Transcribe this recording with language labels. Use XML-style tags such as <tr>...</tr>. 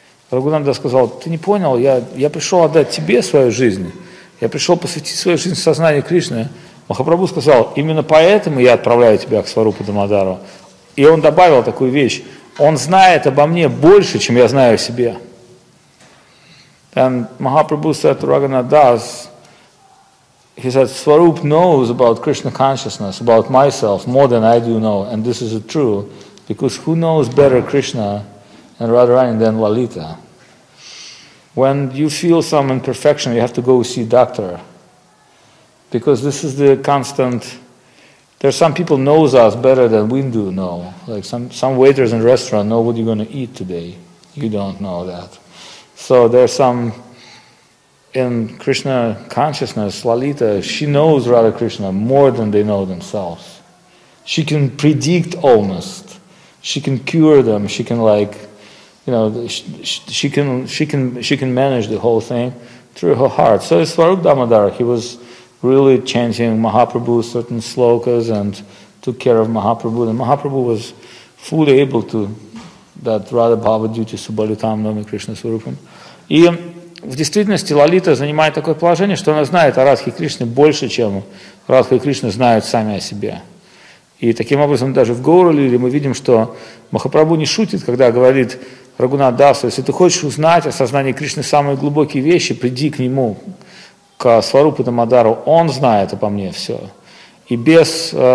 <ru>Рагунатх Дас сказал, ты не понял, я пришел отдать тебе свою жизнь. Я пришел посвятить свою жизнь сознанию Кришны. Махапрабху сказал, именно поэтому я отправляю тебя к Сварупу Дамодару. И он добавил такую вещь. Он знает обо мне больше, чем я знаю о себе.</ru> <en>And Mahaprabhu said to Raghunath Das, he said, Swarup knows about Krishna consciousness, about myself, more than I do know. And this is true, because who knows better Krishna and Radharani than Lalita? When you feel some imperfection, you have to go see doctor. Because this is the constant, there's some people knows us better than we do know. Like some waiters in a restaurant know what you're going to eat today. You don't know that. So there's some, in Krishna consciousness, Lalita, she knows Radha Krishna more than they know themselves. She can predict almost. She can cure them. She can like, you know, she can manage the whole thing through her heart. So Swarup Damodar, he was really chanting Mahaprabhu certain slokas and took care of Mahaprabhu. And Mahaprabhu was fully able to that Radha Bhava duty Subalitam Nami Krishna Swarupam.</en> <ru>И в действительности Лалита занимает такое положение, что она знает о Радхе Кришне больше, чем Радха и Кришна знают сами о себе. И таким образом даже в Гаура-лиле мы видим, что Махапрабху не шутит, когда говорит Рагунатх Дасу, если ты хочешь узнать о сознании Кришны самые глубокие вещи, приди к нему, к Сварупу Дамодару, он знает обо мне все. И без</ru>